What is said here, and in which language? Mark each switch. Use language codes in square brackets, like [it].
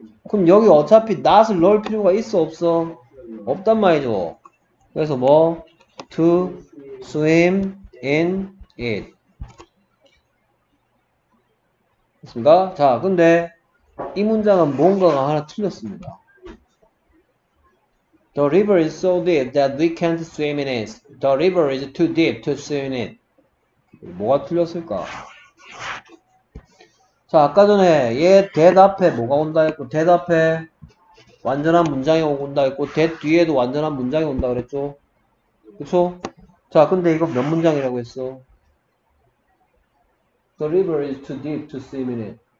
[ko] 그럼 여기 어차피 not을 넣을 필요가 있어 없어? 없단 말이죠. 그래서 뭐? [en] To swim in it. [ko] 됐습니까? 자, 근데 이 문장은 뭔가가 하나 틀렸습니다. [en] The river is so deep that we can't swim in it. The river is too deep to swim in it. [ko] 뭐가 틀렸을까? 자, 아까 전에 얘 대답해 뭐가 온다 했고, 대답해 완전한 문장이 온다 했고, 대 뒤에도 완전한 문장이 온다 그랬죠? 그쵸? 자, 근데 이거 몇 문장이라고 했어? [en] The river is too deep to swim in it.